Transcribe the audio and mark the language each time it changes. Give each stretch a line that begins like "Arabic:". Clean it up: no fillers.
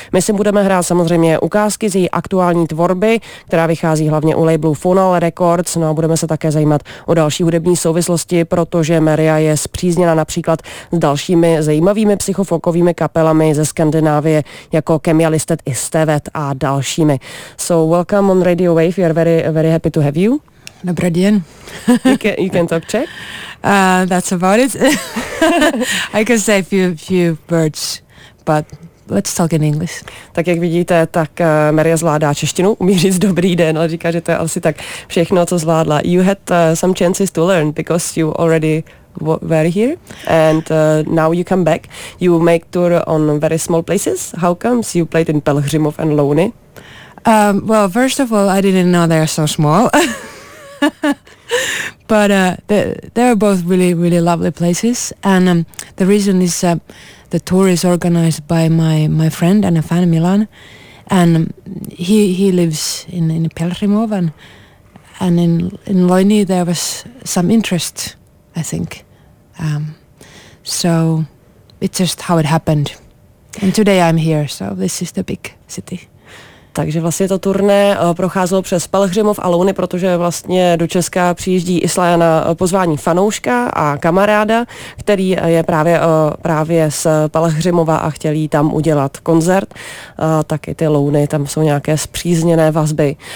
Czech: My si budeme hrát samozřejmě ukázky z její aktuální tvorby, která vychází hlavně u labelu Funal Records, no a budeme se také zajímat o další hudební souvislosti, protože Merja je zpřízněna například s dalšími zajímavými psychofolkovými kapelami ze Skandinávie, jako Kemialistet i Stevet a dalšími.
English: So welcome on Radio Wave, you are very, very happy to have you.
Czech: Dobrý den.
English: You can talk Czech? That's about it. I can say a few words, but let's talk in English.
Czech: Tak jak vidíte, tak Merja zvládá češtinu, umí říct dobrý den, ale říká, že to je asi tak všechno, co zvládla.
English: You had some chances to learn because you already were here, and now you come back. You make tour on very small places. How comes you played in Pelhřimov and Louny? Well, first of all, I didn't know they're so small. But they're both really, really lovely places. And the reason is the tour is organized by my friend and a fan in Milan. And he lives in Pelhřimov, and in Loini there was some interest, I think. So it's just how it happened. And today I'm here, so this is the big city.
Czech: Takže vlastně to turné procházelo přes Pelhřimov a Louny, protože vlastně do Česka přijíždí Islaya na pozvání fanouška a kamaráda, který je právě z Pelhřimova a chtěl jí tam udělat koncert. Taky ty Louny, tam jsou nějaké spřízněné vazby.